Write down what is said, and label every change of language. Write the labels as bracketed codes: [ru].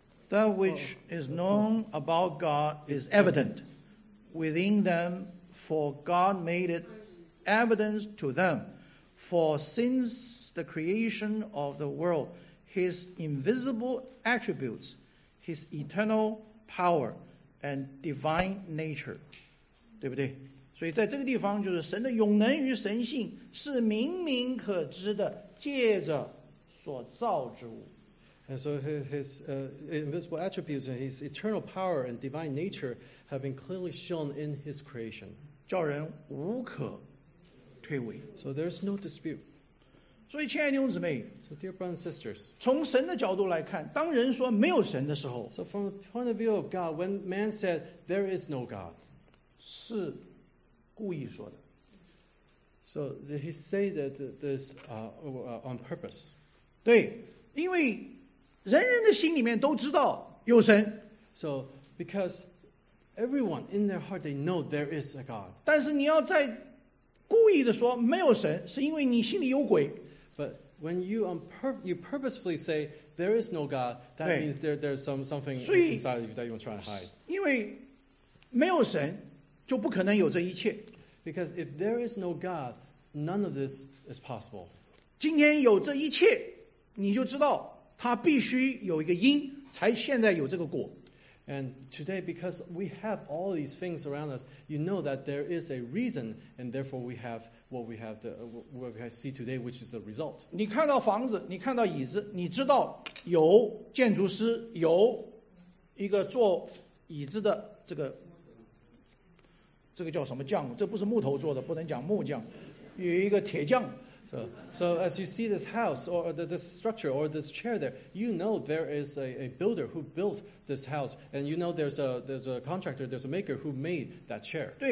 [en] That which is known about God is evident within them, for God made it evident to them. For since the creation of the world, his invisible attributes, his eternal power and divine nature. [zh] 对不对? 所以在这个地方就是神的永能与神性是明明可知的借着所造之物。 [en] And so his invisible attributes and his eternal power and divine nature have been clearly shown in his creation. [zh] 叫人无可推诿。 [en] So there's no dispute. [zh] 所以亲爱的弟兄姊妹, [en] so dear brothers and sisters, [zh] 从神的角度来看, 当人说没有神的时候, [en] so from the point of view of God, when man said there is no God, [zh] 是故意说的。 [en] So did he say that this on purpose? [zh] 对,因为 人人的心里面都知道有神, [en] so because everyone in their heart they know there is a God. [zh] 但是你要再故意的说没有神，是因为你心里有鬼。 [en] But when you purposefully say there is no God, that means there's something inside of you that you're trying to hide. [zh] 因为没有神，就不可能有这一切。 [en] Because if there is no God, none of this is possible. [zh] 今天有这一切，你就知道。它必须有一个因，才现在有这个果。 [en] And today, because we have all these things around us, you know that there is a reason, and therefore we have what we have what we see today, which is the result. [zh] 你看到房子，你看到椅子，你知道有建筑师，有一个做椅子的这个叫什么匠？这不是木头做的，不能讲木匠，有一个铁匠。 [en] So as you see this house or this structure or this chair there, you know there is a builder who built this house, and you know there's a contractor, there's a maker who made that chair.